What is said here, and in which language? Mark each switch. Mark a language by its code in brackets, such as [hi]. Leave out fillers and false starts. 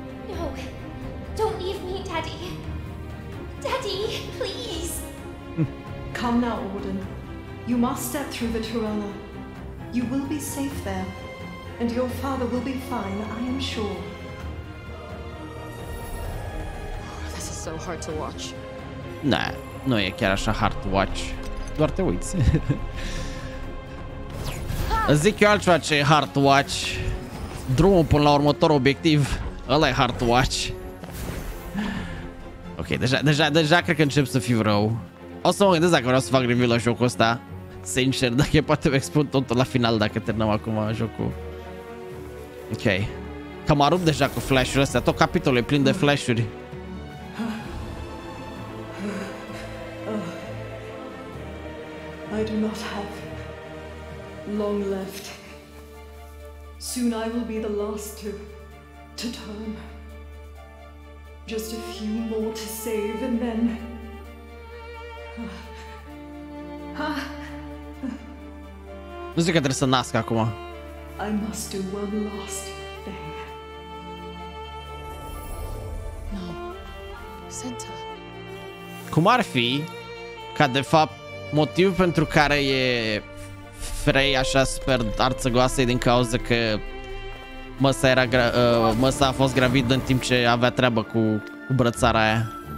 [en] No, don't leave me, Daddy. Daddy, please. Come now, Auden. You must step through the Tirana. You will be safe there. And your father will be fine, I am sure. This is so hard to watch. [ro] Nah, nu e chiar așa [en] hard to watch. [ro] Doar te uiți. Ha! Zic eu altceva ce e Heart Watch. Drumul până la următor obiectiv, ăla e Heart Watch. Ok, deja cred că încep să fiu rău. O să mă gândesc dacă vreau să fac review la jocul ăsta. Sincer, dacă poate expun totul la final dacă terminăm acum jocul. Ok. Că m-a rupt deja cu flash-urile astea, tot capitolul e plin de flash-uri. [en] I do not have long left. Soon I will be the last to turn. Just a few more to save and then... [ro] Nu zic că trebuie să nasc acum. [en] I must do one last thing. No. Senta. [ro] Cum ar fi ca de fapt motivul pentru care e Frey așa super arțăgoasă e din cauza că Măsa era Măsa a fost gravidă în timp ce avea treabă cu brățara aia.